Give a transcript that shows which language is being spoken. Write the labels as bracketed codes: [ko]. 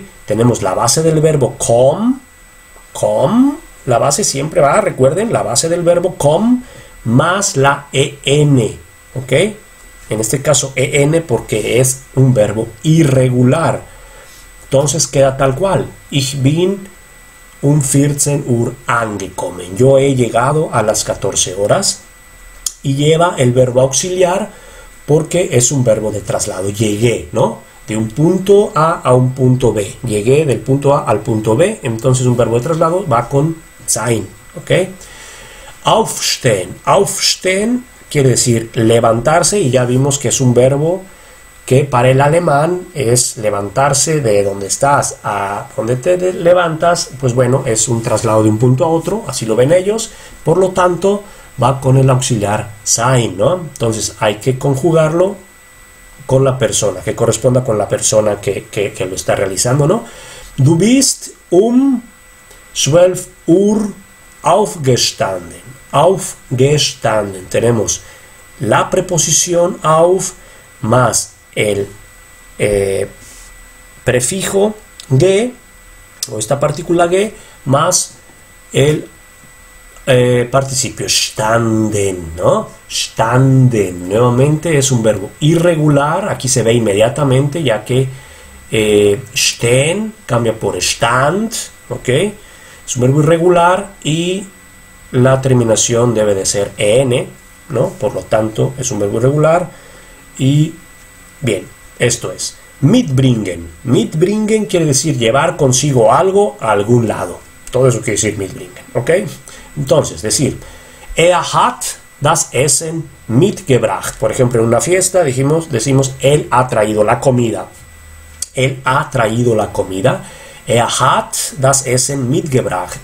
[es] Tenemos la base del verbo com, la base siempre va, recuerden, la base del verbo com más la en, ¿ok? En este caso en porque es un verbo irregular. Entonces queda tal cual. [de] Ich bin um 14 Uhr angekommen. [es] Yo he llegado a las 14 horas y lleva el verbo auxiliar porque es un verbo de traslado. Llegué, ¿no? De un punto A a un punto B. Llegué del punto A al punto B. Entonces un verbo de traslado va con sein, ¿ok? Aufstehen. Aufstehen quiere decir levantarse y ya vimos que es un verbo que para el alemán es levantarse de donde estás a donde te levantas. Pues bueno, es un traslado de un punto a otro, así lo ven ellos. Por lo tanto, va con el auxiliar sein, ¿no? Entonces hay que conjugarlo con la persona, que corresponda con la persona que lo está realizando, ¿no? [de] Du bist um 12 Uhr aufgestanden. Aufgestanden. [es] Tenemos la preposición auf más el prefijo ge, o esta partícula ge, más el participio. Standen, ¿no? Standen. Nuevamente es un verbo irregular. Aquí se ve inmediatamente, ya que stehen cambia por stand, ¿ok? Es un verbo irregular y la terminación debe de ser en, ¿no? Por lo tanto, es un verbo irregular. Y bien, esto es. Mitbringen. Mitbringen quiere decir llevar consigo algo a algún lado. Todo eso quiere decir mitbringen, ¿ok? Entonces, decir, [de] er hat das Essen mitgebracht. [es] Por ejemplo, en una fiesta decimos, él ha traído la comida. Él ha traído la comida. [de] Er hat das Essen mitgebracht.